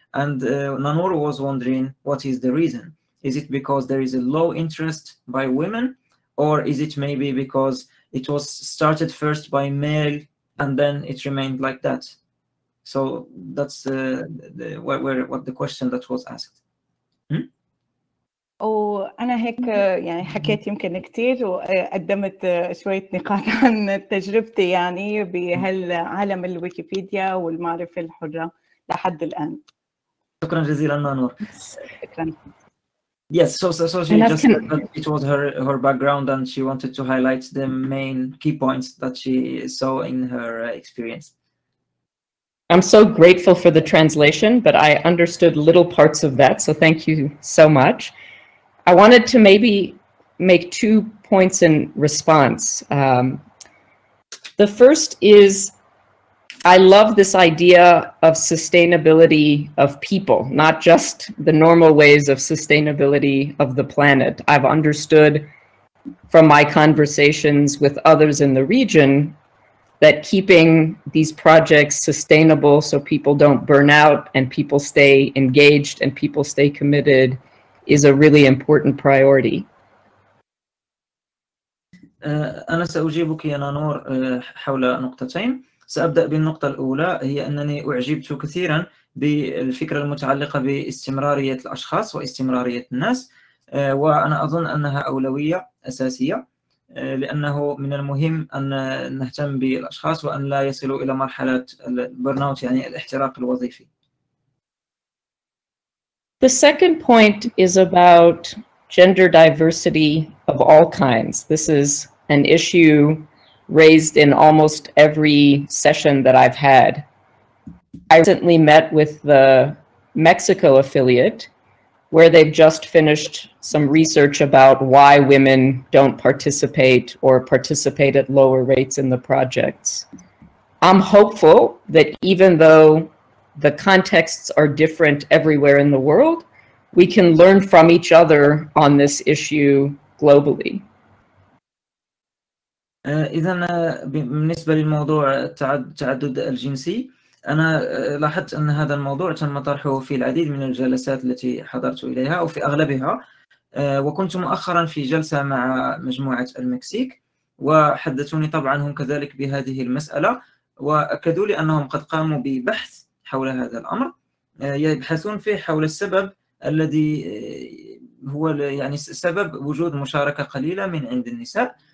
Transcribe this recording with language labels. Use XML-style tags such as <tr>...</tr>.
<en>And Nanur was wondering, what is the reason? Is it because there is a low interest by women, or is it maybe because it was started first by male and then it remained like that? So that's what the question that was asked.</en> <ar>أنا هيك يعني حكيت يمكن كتير وقدمت شوية نقاط عن تجربتي يعني بهالعالم الويكيبيديا والمعرفة الحرة لحد الآن. شكرا جزيلا نانور. شكرا.</ar> <en>Yes, so she just said that it was her background and she wanted to highlight the main key points that she saw in her experience. I'm so grateful for the translation, but I understood little parts of that, so thank you so much. I wanted to maybe make two points in response. The first is, I love this idea of sustainability of people, not just the normal ways of sustainability of the planet. I've understood from my conversations with others in the region that keeping these projects sustainable so people don't burn out and people stay engaged and people stay committed is a really important priority.</en> <ar>أنا سأجيبك يا نانور حول نقطتين. سأبدأ بالنقطة الأولى هي أنني أعجبت كثيرا بالفكرة المتعلقة باستمرارية الأشخاص واستمرارية الناس، وأنا أظن أنها أولوية أساسية، لأنه من المهم أن نهتم بالأشخاص وأن لا يصلوا إلى مرحلة البرناوت، يعني الاحتراق الوظيفي.</ar> <en>The second point is about gender diversity of all kinds. This is an issue raised in almost every session that I've had. I recently met with the Mexico affiliate, where they've just finished some research about why women don't participate or participate at lower rates in the projects. I'm hopeful that even though the contexts are different everywhere in the world, we can learn from each other on this issue globally.</en> <ar>إذن بالنسبة للموضوع التعدد الجنسي، أنا لاحظت أن هذا الموضوع تم طرحه في العديد من الجلسات التي حضرت إليها أو في أغلبها، وكنت مؤخرا في جلسة مع مجموعة المكسيك وحدثوني طبعا هم كذلك بهذه المسألة، وأكدوا لي أنهم قد قاموا ببحث حول هذا الأمر، يبحثون فيه حول السبب الذي هو يعني سبب وجود مشاركة قليلة من عند النساء.</ar>